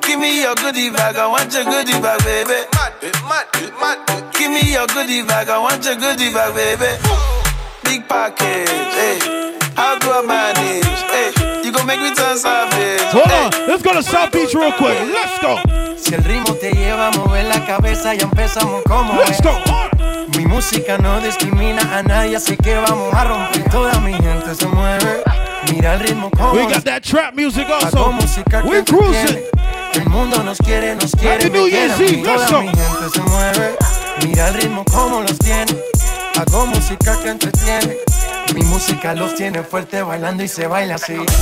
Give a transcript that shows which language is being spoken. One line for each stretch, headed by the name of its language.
English: Give me your goodie bag, I want your goodie bag, baby. Mad. Give me your goodie bag, I want your goodie bag, baby. Big package, hey. How do I manage, hey? You gon' make me turn savage. Hold hey. On, let's go to South Beach real quick. Let's go.
Spanish: Si el ritmo te lleva a mover la cabeza y empezamos como
English: let's go.
Spanish: Mi música no discrimina a nadie, así que vamos a romper. Toda mi gente se mueve. Mira el ritmo como
English: we got that trap music also. We cruising.
Spanish: El mundo nos quiere, nos quiere.
English: Happy New Year's Eve, let's go.
Spanish: Mi gente se mueve. Mira el ritmo como los tiene. Hago música que entretiene. Mi música los tiene fuerte bailando y se baila así.